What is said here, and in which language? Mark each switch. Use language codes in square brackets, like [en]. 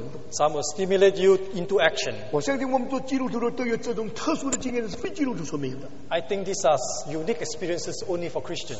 [en] Some will stimulate you into action. [zh] 我相信我们做基督徒的都有这种特殊的经验，是非基督徒所没有的。 [en] I think these are unique experiences only for Christians.